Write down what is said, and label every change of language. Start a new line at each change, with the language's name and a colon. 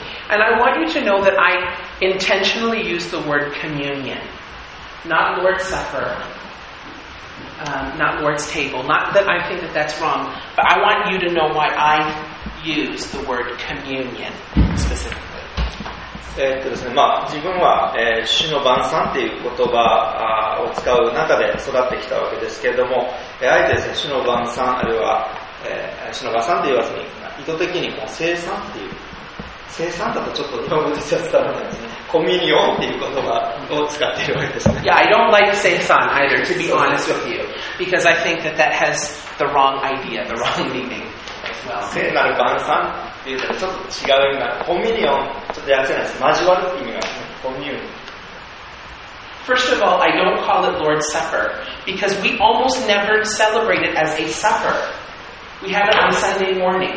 English: And I want you to know that I intentionally use the word communion, not Lord's Supper, not Lord's Table. Not that I think that that's wrong, but I want you to know why I use the word communion specifically.
Japanese: ですね、まあ自分は、主の晩餐っていう言葉を使う中で育ってきたわけですけれども。あえてですね、主の晩餐あるいは、主の晩餐と言わずに意図的にもう聖餐っていう聖餐だとちょっと日本語で説明するんですね。コミュニオンっていう言葉を使っているわけですね。
English: Yeah, I don't like 聖餐 either, to be honest with you, because I think that that has the wrong idea, the wrong meaning as well.
Japanese: 聖なる晩餐っていうとちょっと違う意味が、コミュニオンちょっとやつじゃないです。交わるって意味がある、ね、コミュニオン。
English: First of all, I don't call it Lord's Supper because we almost never celebrate it as a supper. We have it on Sunday morning.